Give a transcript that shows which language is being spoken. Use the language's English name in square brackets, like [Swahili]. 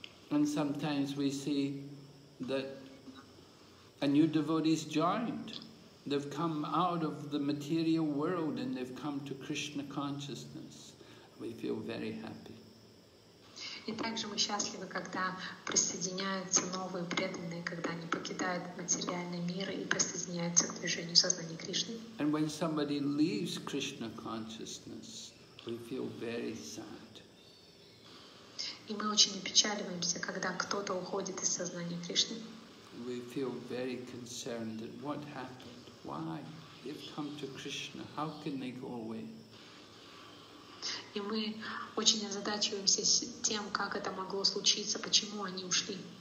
[English] And sometimes we see that a new devotee is joined. They've come out of the material world and they've come to Krishna consciousness. We feel very happy. [Russian] И также мы счастливы, когда присоединяются новые преданные, когда они покидают материальный мир и присоединяются к движению сознания Кришны. [English] And when somebody leaves Krishna consciousness, we feel very sad. [Russian] И мы очень опечаливаемся, когда кто-то уходит из сознания Кришны. [English] We feel very concerned that what happened? Why? They've come to Krishna. How can they go away? [Russian] И мы очень озадачиваемся тем, как это могло случиться, почему они ушли.